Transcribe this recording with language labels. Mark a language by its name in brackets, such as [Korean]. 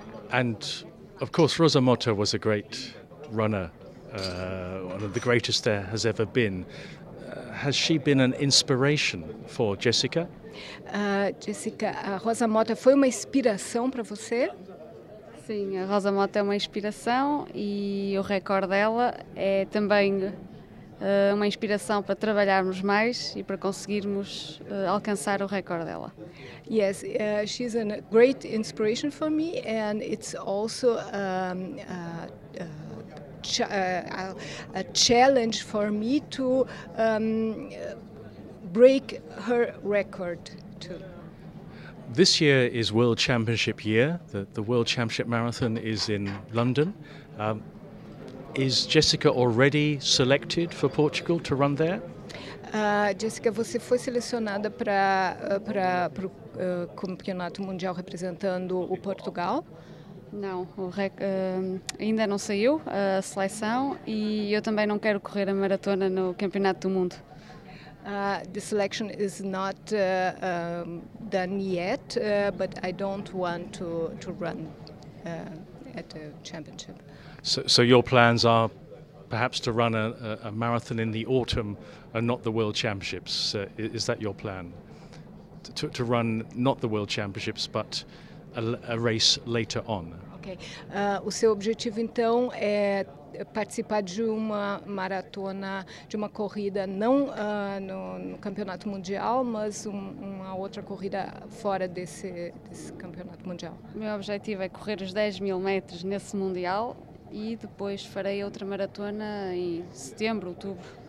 [English] And, of course, Rosa Motta was a great runner, one of the greatest there has ever been. Has she been an inspiration for Jessica? [Portuguese] Jessica, a Rosa Motta foi uma inspiração para você? Sim, a Rosa Motta é uma inspiração e o recorde dela é também uma inspiração para trabalharmos mais e para conseguirmos alcançar o recorde dela. [English] Yes, she's a great inspiration for me and it's also a challenge for me to break her record too. This year is World Championship year. The World Championship Marathon is in London. Is Jessica already selected for Portugal to run there? [Portuguese] Jessica, você foi selecionada para o campeonato mundial representando o Portugal? Não, ainda não saiu a seleção e eu também não quero correr a maratona no campeonato do mundo. [English] The selection is not done yet, but I don't want to run at the championship. So your plans are perhaps to run a marathon in the autumn and not the World Championships. Is that your plan? To run not the World Championships, but a race later on? Okay. [Portuguese] O seu objetivo, então, é participar de uma maratona, de uma corrida, não no campeonato mundial, mas uma outra corrida fora desse campeonato mundial. Meu objetivo é correr os 10 mil metros nesse mundial, e depois farei outra maratona em setembro, outubro.